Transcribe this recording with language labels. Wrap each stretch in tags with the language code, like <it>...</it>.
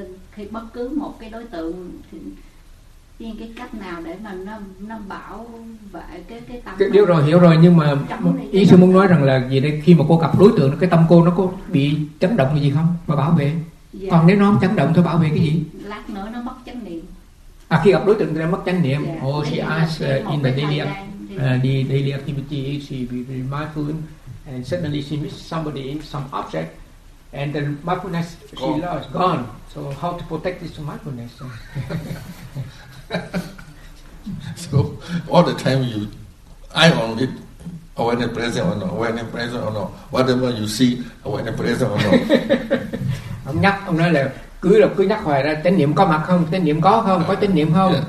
<vi>Khi bất cứ một cái đối tượng thì cái cách nào để mà nó bảo vệ cái tâm. Hiểu rồi, hiểu rồi, nhưng mà ý sư muốn nói rằng là gì đây, khi mà cô gặp đối tượng cái tâm cô nó có bị chấn động gì không mà bảo vệ? Dạ. Còn nếu nó không chấn động thì bảo vệ cái gì? Lát nữa nó mất chánh niệm. À, khi gặp đối tượng thì nó mất chánh niệm. Dạ.</vi> <en>Oh, she asks in the daily daily activity, she be very mindful, and suddenly she meets somebody in some object, and the mindfulness she lost, gone. So how to protect this mindfulness? So all the time you eye on it, awareness present or not, awareness present or not, whatever you see, awareness present or not.</en> <vi>ông nói là cứ nhắc hoài ra chánh niệm có mặt không, chánh niệm có không, có chánh niệm không,</vi>